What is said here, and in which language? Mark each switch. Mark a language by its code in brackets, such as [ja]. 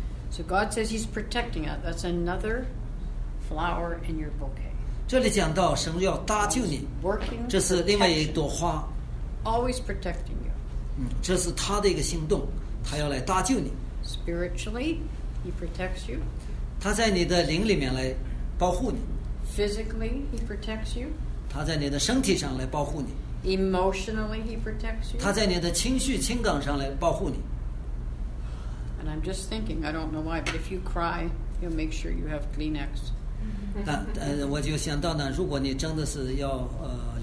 [en] So God says He's protecting us. That's another flower in your bouquet. [zh] 这里讲到神要搭救你，这是另外一朵花。 [en] Always protecting you. [zh] 这是他的一个行动，他要来搭救你。 [en] Spiritually, He protects you. [zh] 他在你的灵里面来保护你。 [en] Physically, He protects you. [zh] 他在你的身体上来保护你。 [en] Emotionally, he protects you. [zh] 他在你的情绪情感上来保护你。 [en] And I'm just thinking, I don't know why, but if you cry, he'll make sure you have Kleenex. [zh] 那我就想到呢，如果你真的是要呃。